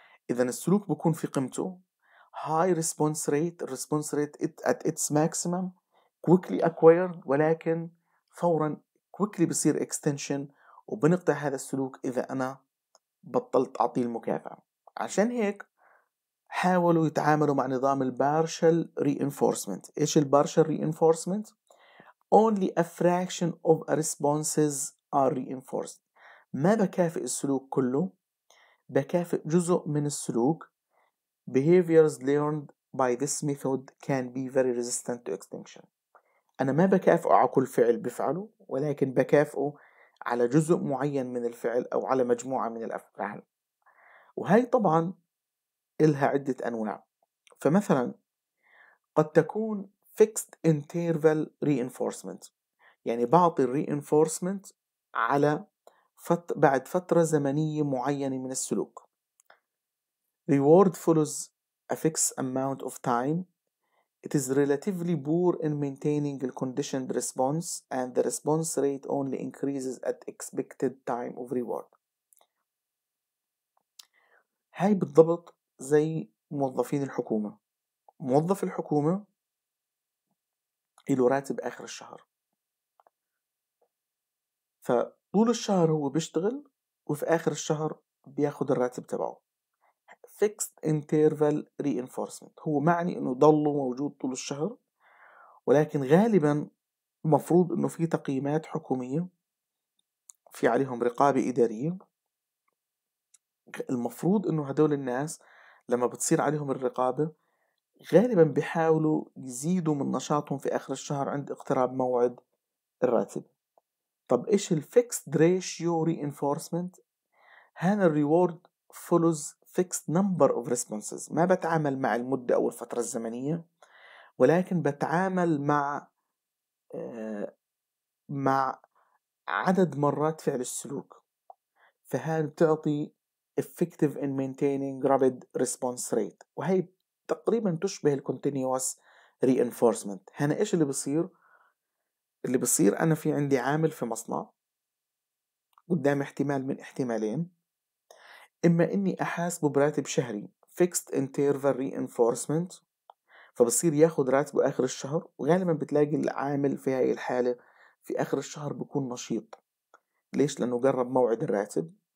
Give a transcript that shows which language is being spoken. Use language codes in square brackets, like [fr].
[ar] إذا السلوك بكون في قمته، high response rate، response rate at its maximum، quickly acquired، ولكن فورا quickly بصير extension وبنقطع هذا السلوك إذا أنا بطلت أعطيه المكافأة. عشان هيك حاولوا يتعاملوا مع نظام البارشل reinforcement. [en] إيش البارشل reinforcement؟ only a fraction of responses are reinforced. [ar] ما بكافئ السلوك كله، بكافئ جزء من السلوك. [en] Behaviors learned by this method can be very resistant to extinction. [ar] أنا ما بكافئه على كل فعل بفعله، ولكن بكافئه على جزء معين من الفعل أو على مجموعة من الأفعال. وهي طبعا إلها عدة أنواع. فمثلا قد تكون fixed interval reinforcement، يعني بعطي reinforcement على بعد فترة زمنية معينة من السلوك. [en] Reward follows a fixed amount of time. It is relatively poor in maintaining the conditioned response and the response rate only increases at expected time of reward. [ar] هاي بالضبط زي موظفين الحكومة. موظف الحكومة له راتب آخر الشهر، فطول الشهر هو بيشتغل وفي آخر الشهر بياخد الراتب تبعه. Fixed interval reinforcement هو معني انه ضل موجود طول الشهر، ولكن غالبا مفروض انه في تقييمات حكومية، في عليهم رقابة ادارية، المفروض انه هدول الناس لما بتصير عليهم الرقابة غالبا بيحاولوا يزيدوا من نشاطهم في اخر الشهر عند اقتراب موعد الراتب. طب ايش الفيكسد ريشيو reinforcement؟ هنا الريورد فولوز fixed number of responses، ما بتعامل مع المدة أو الفترة الزمنية، ولكن بتعامل مع عدد مرات فعل السلوك. فهان بتعطي effective in maintaining rapid response rate، وهي تقريبا تشبه continuous reinforcement. هنا إيش اللي بصير؟ اللي بصير أنا في عندي عامل في مصنع قدام احتمال من احتمالين، إما إني أحاسبه براتب شهري fixed interval reinforcement فبصير ياخد راتبه آخر الشهر، وغالبا بتلاقي العامل في هاي الحالة في آخر الشهر بيكون نشيط، ليش؟ لأنه قرب موعد الراتب.